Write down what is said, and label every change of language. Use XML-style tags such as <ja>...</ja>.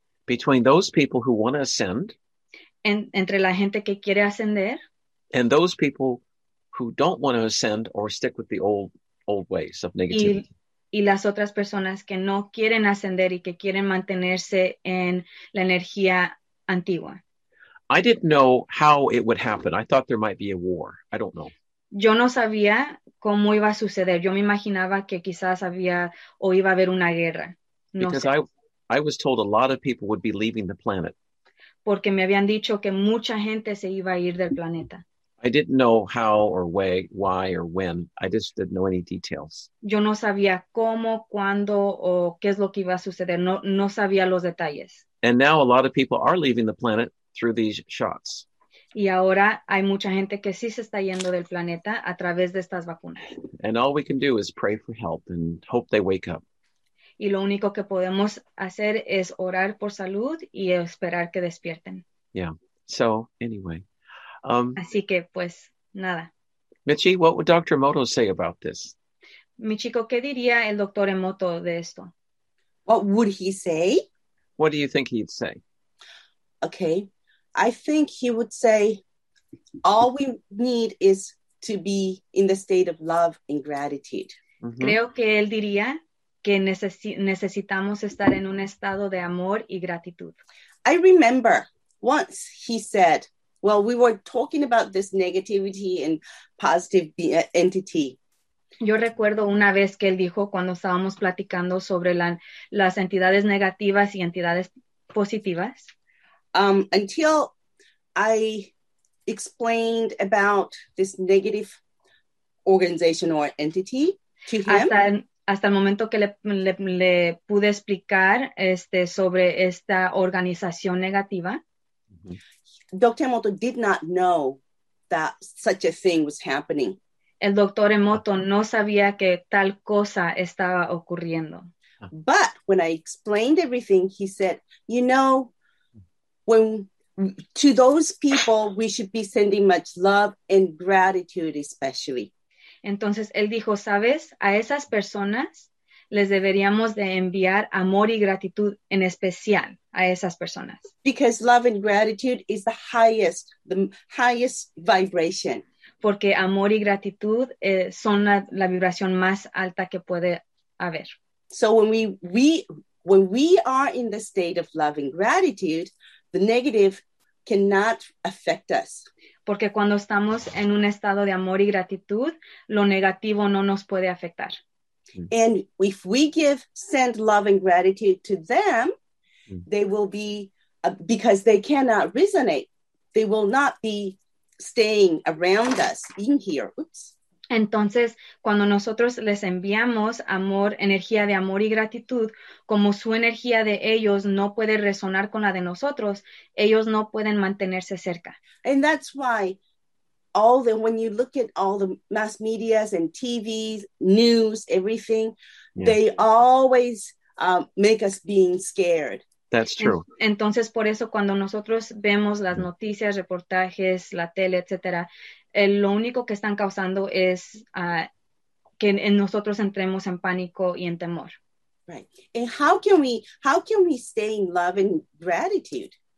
<en>Between those people who want to ascend.</en> <es>Entre la gente que quiere ascender.</es> <en>And those people who don't want to ascend or stick with the old ways of negativity.</en> <es>Y las otras personas que no quieren ascender y que quieren mantenerse en la energía antigua.</es> <en>I didn't know how it would happen. I thought there might be a war. I don't know.</en> <es>Yo no sabía cómo iba a suceder. Yo me imaginaba que quizás había o iba a haber una guerra. No</es> <en>because</en> <es>sé.</es> <en>I was told a lot of people would be leaving the planet.</en> <es>Porque me habían dicho que mucha gente se iba a ir del planeta.</es> <en>I didn't know how or why or when. I just didn't know any details.</en> <es>Yo no sabía cómo, cuándo o qué es lo que iba a suceder. No sabía los detalles.</es> <en>And now a lot of people are leaving the planet through these shots.</en> <es>Y ahora hay mucha gente que sí se está yendo del planeta a través de estas vacunas.</es> <en>And all we can do is pray for help and hope they wake up.</en> <es>Y lo único que podemos hacer es orar por salud y esperar que despierten.</es> <en>Yeah. So, anyway.</en> <es>Así que, pues, nada.</es> <en>Michi, what would Dr. Emoto say about this?</en> <es>Michiko, ¿qué diría el Dr. Emoto de esto?</es> <en>What would he say? What do you think he'd say? Okay. I think he would say, all we need is to be in the state of love and gratitude. Mm-hmm.</en> <es>Creo que él diría que necesitamos estar en un estado de amor y gratitud.</es> <en>I remember once he said, well, we were talking about this negativity and positive entity.</en> <es>Yo recuerdo una vez que él dijo cuando estábamos platicando sobre las entidades negativas y entidades positivas.</es> <en>Until I explained about this negative organization or entity to him.</en> <es>Hasta el momento que le pude explicar sobre esta organización negativa.</es> <en>Dr. Emoto did not know that such a thing was happening.</en> <es>El Dr. Emoto no sabía que tal cosa estaba ocurriendo.</es> <en>But when I explained everything, he said, you know, when to those people, we should be sending much love and gratitude especially.</en> <es>Entonces, él dijo, ¿sabes? A esas personas les deberíamos de enviar amor y gratitud en especial a esas personas.</es> <en>Because love and gratitude is the highest vibration.</en> <es>Porque amor y gratitud son la vibración más alta que puede haber.</es> <en>So when we are in the state of love and gratitude, the negative cannot affect us.</en> <es>Porque cuando estamos en un estado de amor y gratitud, lo negativo no nos puede afectar.</es> <en>And if we send love and gratitude to them, they will be, because they cannot resonate, they will not be staying around us in here. Oops.</en> <es>Entonces, cuando nosotros les enviamos amor, energía de amor y gratitud, como su energía de ellos no puede resonar con la de nosotros, ellos no pueden mantenerse cerca.</es> <en>And that's why when you look at all the mass medias and TVs, news, everything, they always make us being scared. That's true.</en> <es>Entonces, por eso, cuando nosotros vemos las noticias, reportajes, la tele, etcétera, lo único que están causando es que nosotros entremos en pánico y en temor.</es> <en>Right. And how can we stay in love and gratitude?</en>